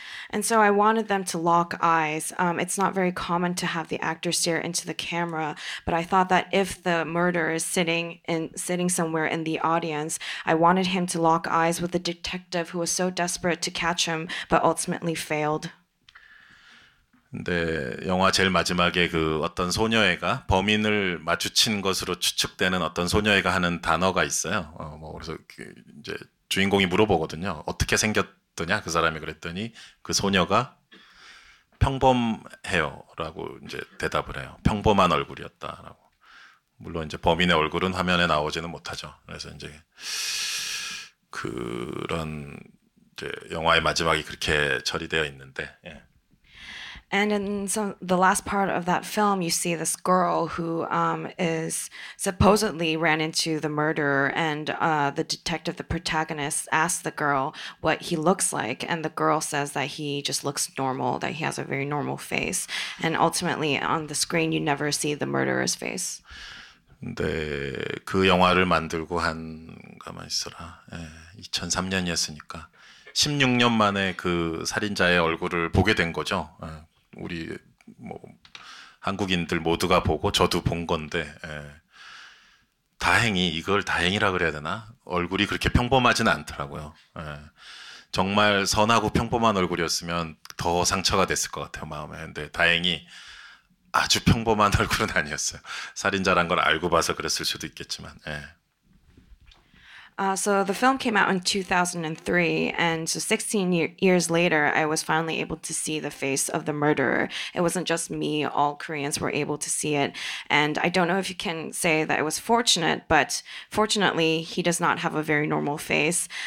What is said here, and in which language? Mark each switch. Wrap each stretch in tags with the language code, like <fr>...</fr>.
<en>And so I wanted them to lock eyes. It's not very common to have the actor stare into the camera, but I thought that if the murderer is sitting somewhere in the audience, I wanted him to lock eyes with the detective who was so desperate to catch him, but ultimately failed.</en> <ko>근데 영화 제일 마지막에 그 어떤 소녀애가 범인을 마주친 것으로 추측되는 어떤 소녀애가 하는 단어가 있어요. 뭐 그래서 이제 주인공이 물어보거든요. 어떻게 생겼 냐 그 사람이 그랬더니 그 소녀가 평범해요라고 이제 대답을 해요. 평범한 얼굴이었다라고. 물론 이제 범인의 얼굴은 화면에 나오지는 못하죠. 그래서 이제 그런 이제 영화의 마지막이 그렇게 처리되어 있는데. 예.</ko> <en>And in the last part of that film, you see this girl who is supposedly ran into the murderer, and the detective, the protagonist, asks the girl what he looks like, and the girl says that he just looks normal, that he has a very normal face. And ultimately, on the screen, you never see the murderer's face.</en> <ko>네, 그 영화를 만들고 한 가만 있어라. 네, 2003년이었으니까 16년 만에 그 살인자의 얼굴을 보게 된 거죠. 네. 우리 뭐 한국인들 모두가 보고 저도 본 건데 예. 다행히 이걸 다행이라 그래야 되나 얼굴이 그렇게 평범하진 않더라고요. 예. 정말 선하고 평범한 얼굴이었으면 더 상처가 됐을 것 같아요 마음에. 근데 다행히 아주 평범한 얼굴은 아니었어요. 살인자란 걸 알고 봐서 그랬을 수도 있겠지만. 예.</ko> <en>So the film came out in 2003, and so 16 years later, I was finally able to see the face of the murderer. It wasn't just me, all Koreans were able to see it. And I don't know if you can say that it was fortunate, but fortunately, he does not have a very normal face.</en>